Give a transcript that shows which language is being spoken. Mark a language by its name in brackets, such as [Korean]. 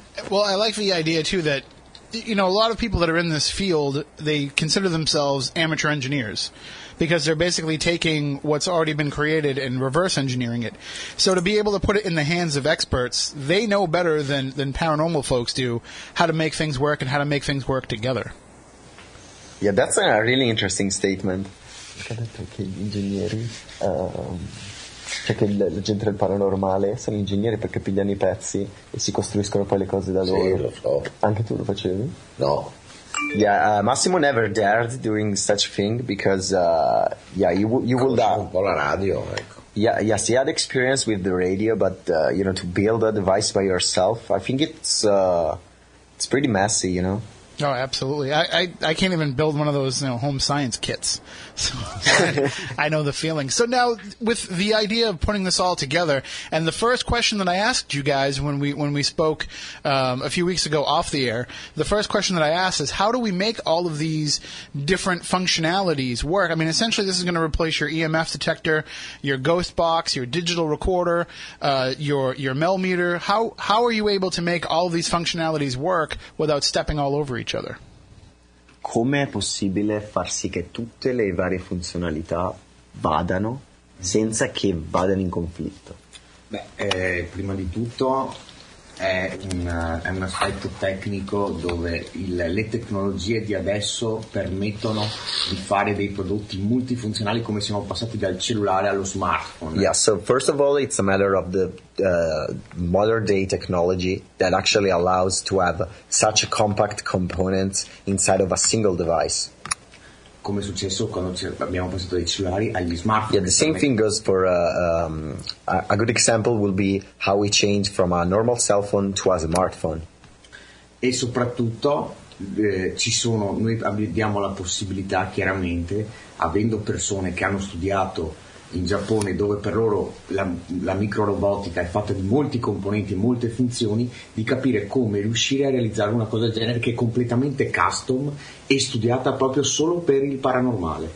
[English] Well, I like the idea, too, that, you know, a lot of people that are in this field, they consider themselves amateur engineers, because they're basically taking what's already been created and reverse engineering it. So to be able to put it in the hands of experts, they know better than paranormal folks do how to make things work and how to make things work together. Yeah, that's a really interesting statement. [Italian] Cioè che la gente del paranormale sono ingegneri per capire i pezzi e si costruiscono poi le cose da loro. Sì, lo so. Anche tu lo facevi? No. [English] Yeah, Massimo never dared doing such thing because [Italian] un po' la radio, ecco. [English] Yeah, yes, he had experience with the radio, but you know, to build a device by yourself, I think it's pretty messy, you know. Oh, absolutely. I can't even build one of those, you know, home science kits. So I know the feeling. So now, with the idea of putting this all together, and the first question that I asked you guys when we spoke a few weeks ago off the air, the first question that I asked is, how do we make all of these different functionalities work? I mean, essentially, this is going to replace your EMF detector, your ghost box, your digital recorder, your Mel meter. How are you able to make all of these functionalities work without stepping all over each other? [Italian] Come è possibile far sì che tutte le varie funzionalità vadano senza che vadano in conflitto? Beh, prima di tutto è un aspetto tecnico dove le tecnologie di adesso permettono di fare dei prodotti multifunzionali come siamo passati dal cellulare allo smartphone. [English] Yeah, so first of all it's a matter of the modern day technology that actually allows to have such a compact component inside of a single device. [Italian] Come è successo quando abbiamo passato dai cellulari agli smartphone. [English] Yeah, the same thing goes for a good example will be how we change from a normal cell phone to a smartphone. [Italian] E soprattutto noi abbiamo la possibilità, chiaramente, avendo persone che hanno studiato in Giappone, dove per loro la microrobotica è fatta di molti componenti e molte funzioni, di capire come riuscire a realizzare una cosa del genere che è completamente custom e studiata proprio solo per il paranormale.